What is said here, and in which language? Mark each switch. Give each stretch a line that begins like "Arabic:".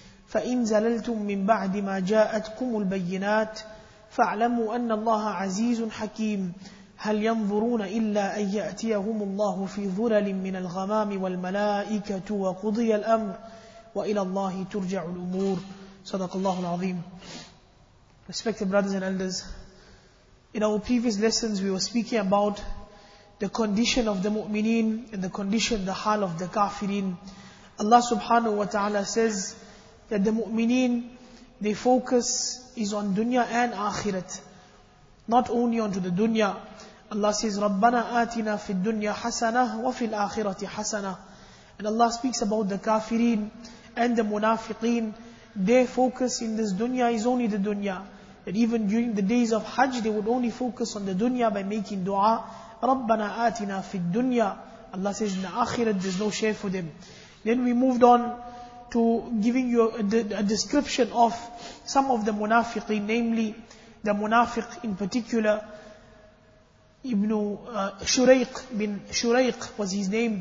Arabic: فإن زللتم من بعد ما جاءتكم البينات فاعلموا أن الله عزيز حكيم. هل ينظرون إلا أن يأتيهم الله في ظلل من الغمام والملائكة وقضي الأمر وإلى الله ترجع الأمور. صدق الله العظيم.
English: Respected brothers and elders, in our previous lessons we were speaking about the condition of the mu'mineen and the condition, the hal of the kafirin. Allah subhanahu wa ta'ala says that the mu'mineen, they focus is on dunya and akhirat, not only onto the dunya. Allah says,
Arabic: رَبَّنَا آتِنَا فِي الدُّنْيَا حَسَنَةً وَفِي الْآخِرَةِ حَسَنَةً.
English: And Allah speaks about the kafirin and the munafiqeen. Their focus in this dunya is only the dunya. That even during the days of Hajj, they would only focus on the dunya by making dua.
Arabic: رَبَّنَا آتِنَا فِي الدُّنْيَا.
English: Allah says, in the akhirat, there's no share for them. Then we moved on to giving you a description of some of the munafiqeen, namely the munafiq in particular, Ibn Shuraiq bin Shuraiq was his name.